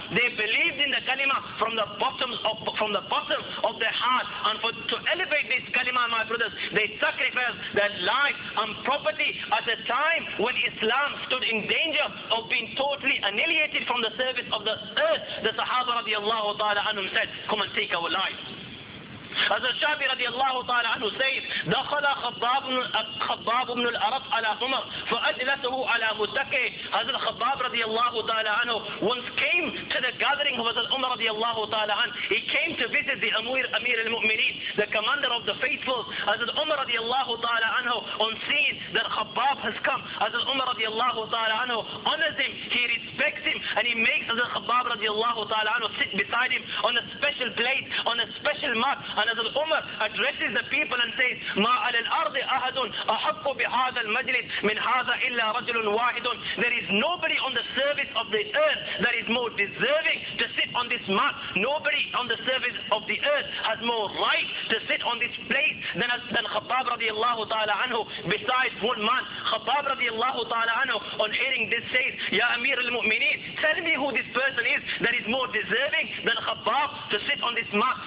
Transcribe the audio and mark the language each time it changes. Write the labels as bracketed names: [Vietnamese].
[English] They believed in the kalima from the bottom of their heart. And to elevate this kalima, my brothers, they sacrificed their life and property at a time when Islam stood in danger of being totally annihilated from the surface of the earth. The Sahaba radiallahu ta'ala anhum said, come and take our life. As al-Shabi radiallahu ta'ala anhu says, [Arabic] دخل خباب بن الأرط على عمر فأجلته على متكئ. [English] As al-Khabbab radiallahu ta'ala anhu once came to the gathering of Umar radiallahu ta'ala anhu. He came to visit the Amir al-Mu'mineen, the commander of the faithful. As al-Umar radiallahu ta'ala anhu, on seeing that Khabbab has come, as al-Umar radiallahu ta'ala anhu honors him, he respects him, and he makes as al-Khabbab radiallahu ta'ala anhu sit beside him on a special plate, on a special mat. And as Umar addresses the people and says, [Arabic] مَا عَلَى الْأَرْضِ أَهَدٌ أَحَقُّ بِهَذَا الْمَجْلِسِ مِنْ هَذَا إِلَّا رَجْلٌ وَاحِدٌ. [English] There is nobody on the surface of the earth that is more deserving to sit on this mat. Nobody on the surface of the earth has more right to sit on this place than Khabbab radiallahu ta'ala anhu, besides one man. Khabbab radiallahu ta'ala anhu, on hearing this, says, [Arabic] يَا أَمِيرُ الْمُؤْمِنِينَ, [English] tell me who this person is that is more deserving than Khabbab to sit on this mat.